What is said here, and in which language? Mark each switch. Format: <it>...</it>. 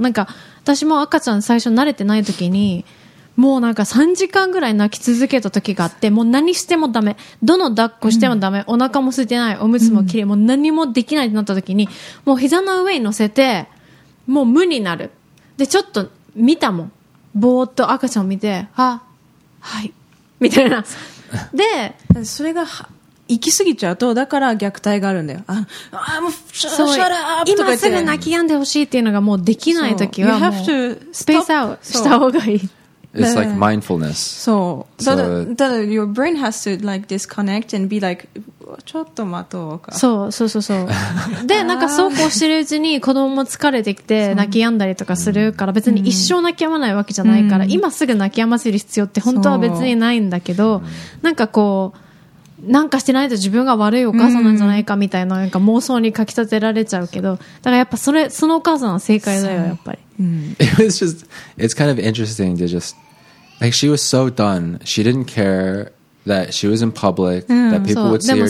<ja>なんか、私も赤ちゃん最初慣れてない時に、もうなんか3時間ぐらい泣き続けた時があってもう何してもダメどの抱っこしてもダメ、うん、お腹も空いてないおむつも綺麗、うん、もう何もできないとなった時にもう膝の上に乗せてもう無になるでちょっと見たもんぼーっと赤ちゃんを見てあはいみたいなでそれが行き過ぎちゃうとだから虐待があるんだよあもうシャラーとか言って今すぐ泣き止んでほしいっていうのがもうできない時はもうスペースアウトした方がいい</ja> <en>It's like mindfulness. So, your brain has to like disconnect and be like,</en> <ja>ちょっと待とうか。そう。で、なんかそうこうしてるうちに子供も疲れてきて泣き止んだりとかするから、別に一生泣き止まないわけじゃないから、今すぐ泣き止ませる必要って本当は別にないんだけど、なんかこう、なんかしてないと自分が悪いお母さんなんじゃないかみたいな、なんか妄想にかき立てられちゃうけど、だからやっぱそのお母さんは正解だよ、やっぱり。</ja> <en>It was just, it's kind of interesting to just, like she was so done. She didn't care that she was in public, that people would see her.</en>